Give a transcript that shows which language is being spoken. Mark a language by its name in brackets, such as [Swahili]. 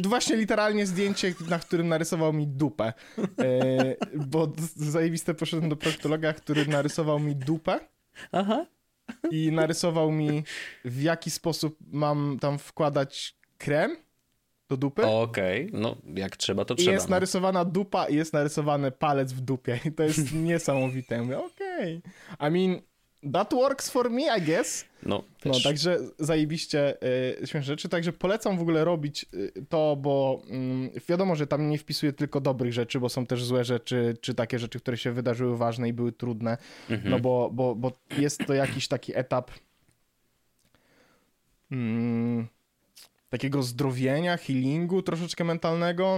[Polish] Właśnie literalnie zdjęcie, na którym narysował mi dupę, bo zajebiste poszedłem do proktologa, który narysował mi dupę. Aha. I narysował mi, w jaki sposób mam tam wkładać krem do dupy. Okej, okay. No jak trzeba, to i trzeba. Jest narysowana dupa i jest narysowany palec w dupie. I to jest niesamowite. Ja mówię, okej. Okay. [English] I mean, that works for me, I guess. [Polish] No, no także zajebiście śmieszne rzeczy. Także polecam w ogóle robić to, bo wiadomo, że tam nie wpisuję tylko dobrych rzeczy, bo są też złe rzeczy, czy takie rzeczy, które się wydarzyły ważne i były trudne. Mm-hmm. No bo jest to jakiś taki etap takiego zdrowienia, healingu troszeczkę mentalnego.